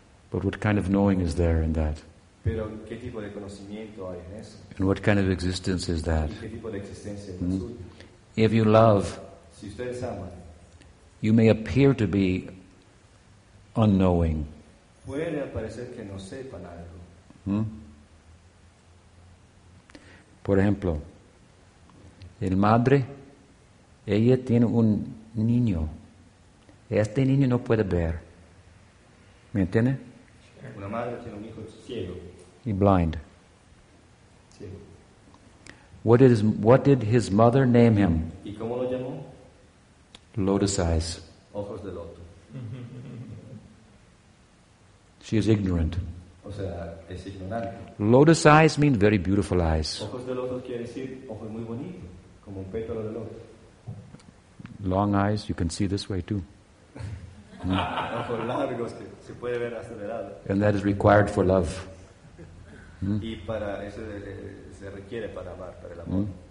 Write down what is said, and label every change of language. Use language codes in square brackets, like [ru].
[en] But what kind of knowing is there in that? [es] Pero ¿qué tipo de conocimiento hay en eso? [en] And what kind of existence is that? [es] ¿Y qué tipo de existencia es suya? [en] If you love, [es] si ustedes aman, [en] you may appear to be unknowing. [es] Puede parecer que no sepan algo. Hmm? Por ejemplo, el madre, ella tiene un niño. Este niño no puede ver. ¿Me entiende? Una madre tiene un hijo ciego. [en] Y blind. [es] Ciego. [en] What did his mother name him? [es] ¿Y cómo lo llamó? [en] Lotus eyes. [es] Ojos de loto. [en] She is ignorant. [es] O sea, es ignorante. [en] Lotus eyes mean very beautiful eyes. [es] Ojos de loto quiere decir ojos muy bonitos, como un pétalo de loto. [en] Long eyes, you can see this way too. [es] Ojos largos que se puede ver hasta de lado. [en] And that is required for love. [es] Y para eso se requiere para amar, para el amor.